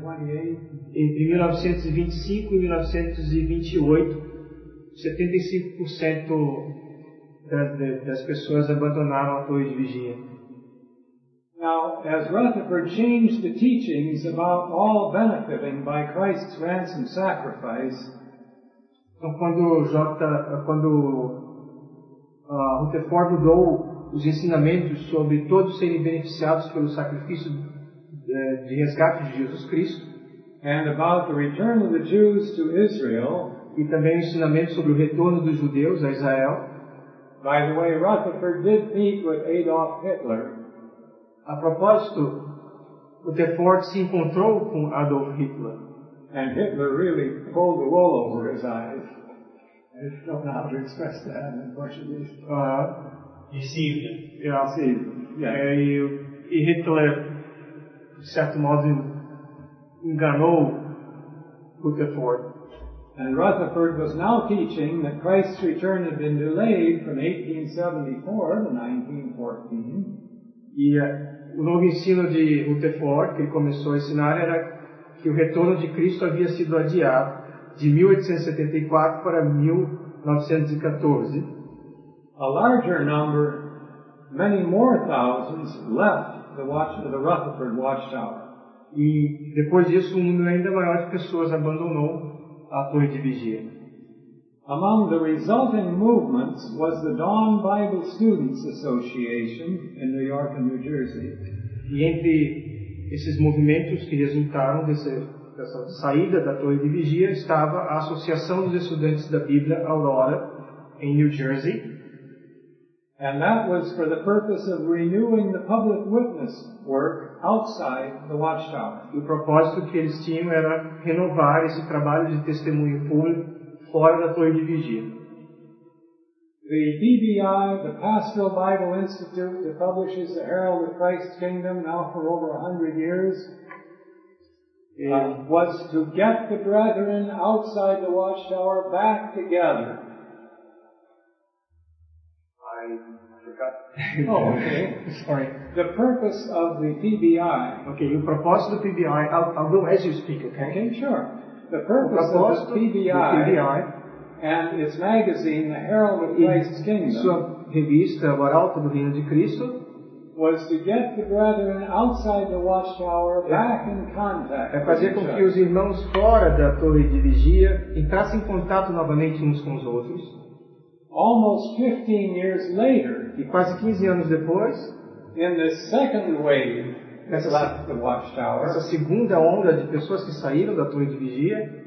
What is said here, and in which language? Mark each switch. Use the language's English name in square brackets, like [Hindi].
[Portuguese] Entre 1925 e 1928, 75% das pessoas abandonaram a Torre de Vigia. [English] Now, as Rutherford changed the teachings about all benefiting by Christ's ransom sacrifice, [Portuguese] então, quando Rutherford mudou os ensinamentos sobre todos serem beneficiados pelo sacrifício de resgate de Jesus Cristo, [English] and about the return of the Jews to Israel, [Portuguese] e também o ensinamento sobre o retorno dos judeus a Israel. [English] By the way, Rutherford did meet with Adolf Hitler. [Portuguese] A propósito, Rutherford se encontrou com Adolf Hitler. [English] And Hitler really pulled the wool over his eyes. I don't know how to express that in Portuguese. Received him. Yeah, Yeah. [Portuguese] E Hitler, de certo modo, enganou Rutherford. [English] And Rutherford was now teaching that Christ's return had been delayed from 1874 to 1914. [Portuguese] E o novo ensino de Rutherford, que ele começou a ensinar, era que o retorno de Cristo havia sido adiado de 1874 para 1914. [English] A larger number, many more thousands, left the Rutherford Watchtower. [Portuguese] E depois disso, um número ainda maior de pessoas abandonou a Torre de Vigia. [English] Among the resulting movements was the Dawn Bible Students Association in New York and New Jersey. [Portuguese] E entre esses movimentos que resultaram dessa saída da Torre de Vigia estava a Associação dos Estudantes da Bíblia Aurora em New Jersey. [English] And that was for the purpose of renewing the public witness work outside the Watchtower. [Portuguese] O propósito que eles tinham era renovar esse trabalho de testemunho público fora da Torre de Vigia. [English] The DBI, the Pastoral Bible Institute, that publishes the Herald of Christ's Kingdom now for over 100 years, was to get the brethren outside the Watchtower back together. The purpose of the PBI. Okay, [Portuguese] o propósito do PBI. [English] I'll go as you speak, okay? Okay, sure. The purpose of the PBI and its magazine, The Herald of Christ's Kingdom, [Portuguese] sua revista, O Arauto do Reino de Cristo, [English] was to get the brethren outside the Watchtower back in contact. [Portuguese] É fazer com que os irmãos fora da Torre de Vigia entrassem em contato novamente uns com os outros. [English] Almost 15 years later, [Portuguese] e quase 15 anos depois, [English] in the second wave that left the Watchtower, [Portuguese] essa segunda onda de pessoas que saíram da Torre de Vigia,